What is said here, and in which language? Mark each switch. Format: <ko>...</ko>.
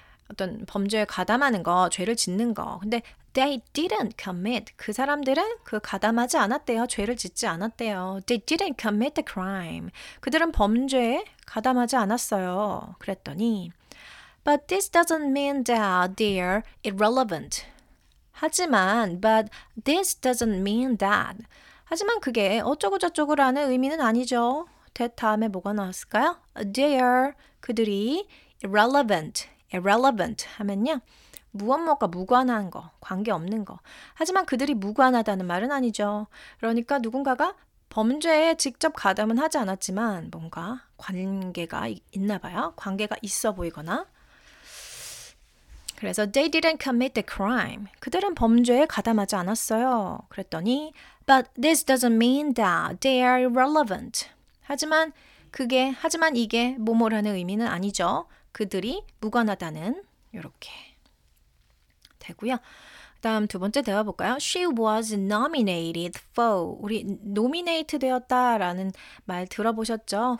<ko>어떤 범죄에 가담하는 거, 죄를 짓는 거. 근데</ko> <en>they didn't commit.</en> <ko>그 사람들은 그 가담하지 않았대요. 죄를 짓지 않았대요.</ko> <en>They didn't commit the crime.</en> <ko>그들은 범죄에 가담하지 않았어요. 그랬더니</ko> <en>But this doesn't mean that they're irrelevant.</en> <ko>하지만,</ko> <en>but this doesn't mean that.</en> <ko>하지만 그게 어쩌고저쩌고라는 의미는 아니죠. That 다음에 뭐가 나왔을까요?</ko> <en>They're,</en> <ko>그들이 irrelevant. Irrelevant 하면요. 무엇 무엇과 무관한 거, 관계없는 거. 하지만 그들이 무관하다는 말은 아니죠. 그러니까 누군가가 범죄에 직접 가담은 하지 않았지만 뭔가 관계가 있나 봐요. 관계가 있어 보이거나. 그래서</ko> <en>they didn't commit the crime.</en> <ko>그들은 범죄에 가담하지 않았어요. 그랬더니</ko> <en>but this doesn't mean that they are irrelevant.</en> <ko>하지만 그게 하지만 이게 뭐뭐라는 의미는 아니죠. 그들이 무관하다는 이렇게 되고요. 다음 두 번째 대화 볼까요?</ko> <en>She was nominated for</en> <ko>우리</ko> <en>nominate</en> <ko>되었다라는 말 들어보셨죠?</ko>